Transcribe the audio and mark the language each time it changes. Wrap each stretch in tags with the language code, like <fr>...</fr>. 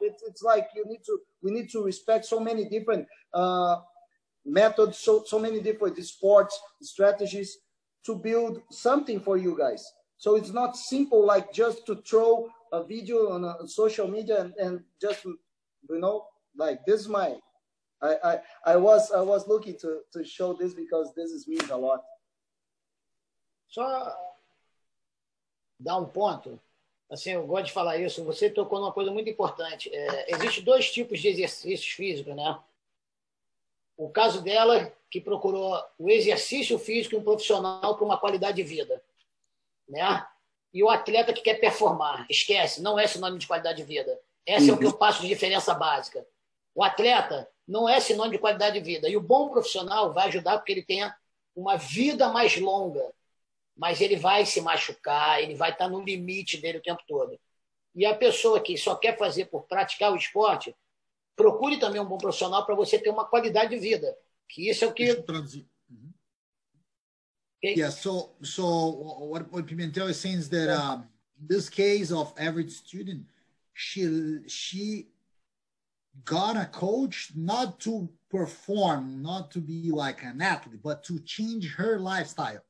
<en>It's like we need to respect so many different methods, so many different sports strategies to build something for you guys. So it's not simple like just to throw a video on social media and just, you know, like this is my, I was looking to show this because this is means a lot.</en> <pt>Só dar um ponto, assim, eu gosto de falar isso, você tocou numa coisa muito importante. Existem dois tipos de exercícios físicos, né? O caso dela, que procurou o exercício físico e um profissional para uma qualidade de vida, né? E o atleta que quer performar, esquece, não é sinônimo de qualidade de vida. Esse é o que eu passo de diferença básica. O atleta não é sinônimo de qualidade de vida. E o bom profissional vai ajudar porque ele tenha uma vida mais longa. Mas ele vai se machucar, ele vai estar no limite dele o tempo todo. E a pessoa que só quer fazer por praticar o esporte, procure também um bom profissional para você ter uma qualidade de vida. Que isso é o que...</pt> <en>Okay. Yeah, so what Pimentel is saying is that in this case of average student, she got a coach not to perform, not to be like an athlete, but to change her lifestyle.</en>